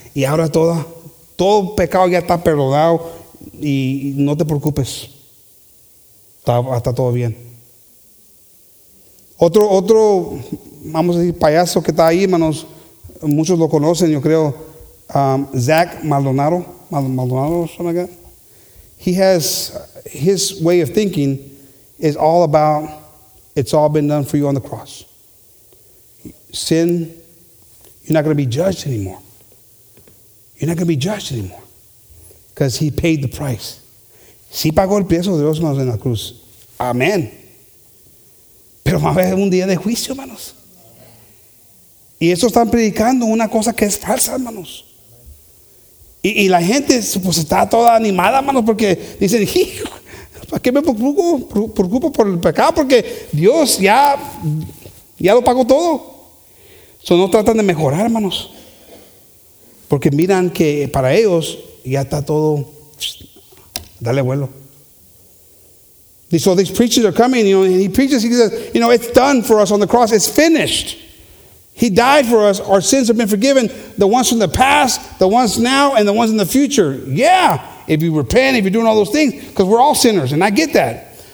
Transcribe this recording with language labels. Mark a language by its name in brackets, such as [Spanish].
[Spanish] Y ahora todo pecado ya está perdonado y no te preocupes. Está todo bien. Otro, vamos a decir, payaso que está ahí, hermanos, muchos lo conocen, yo creo, Zach Maldonado. [English] Maldonado, something like that. He has his way of thinking is all about it's all been done for you on the cross. Sin, you're not going to be judged anymore. You're not going to be judged anymore because he paid the price. [Spanish] Si pagó el precio de Dios, hermanos, en la cruz. Amén. Pero va a haber un día de juicio, hermanos. Y eso están predicando una cosa que es falsa, hermanos. Y la gente pues está toda animada, hermanos, porque dicen, ¿para qué me preocupo por el pecado? Porque Dios ya lo pagó todo. So no tratan de mejorar, hermanos. Porque miran que para ellos ya está todo, dale vuelo. [English] And so these preachers are coming, you know, and he preaches, he says, you know, it's done for us on the cross. It's finished. He died for us. Our sins have been forgiven. The ones from the past, the ones now, and the ones in the future. Yeah, if you repent, if you're doing all those things, because we're all sinners, and I get that.